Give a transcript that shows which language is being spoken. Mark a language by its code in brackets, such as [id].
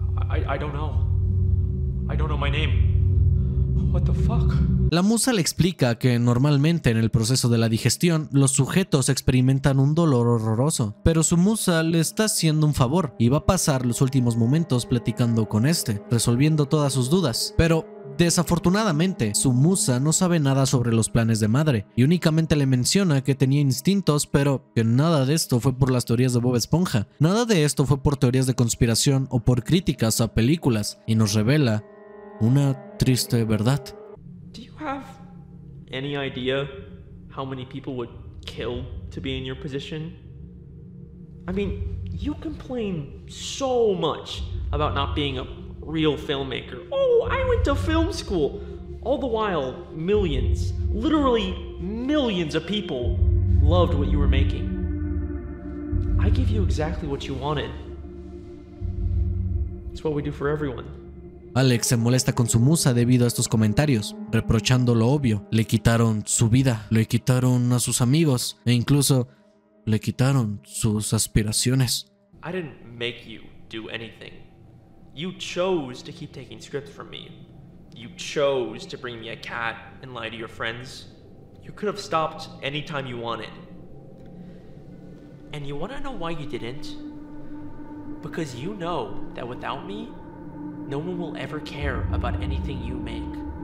[en] I don't know. I don't know my name. What the fuck? [es] La musa le explica que normalmente en el proceso de la digestión, los sujetos experimentan un dolor horroroso, pero su musa le está haciendo un favor y va a pasar los últimos momentos platicando con este, resolviendo todas sus dudas. Pero desafortunadamente, su musa no sabe nada sobre los planes de madre y únicamente le menciona que tenía instintos, pero que nada de esto fue por las teorías de Bob Esponja, nada de esto fue por teorías de conspiración o por críticas a películas, y nos revela una triste verdad. [en] Do you have any idea how many people would kill to be in your position? I mean, you complain so much about not being a real filmmaker. Oh, I went to film school. All the while, millions, literally millions of people loved what you were making. I give you exactly what you wanted. It's what we do for everyone. [es] Alex se molesta con su musa debido a estos comentarios, reprochando lo obvio. Le quitaron su vida, le quitaron a sus amigos, e incluso le quitaron sus aspiraciones. [en] I didn't make you do anything. You chose to keep taking scripts from me. You chose to bring me a cat and lie to your friends. You could have stopped anytime you wanted. And you want to know why you didn't? Because you know that without me, no one will ever care about anything you make.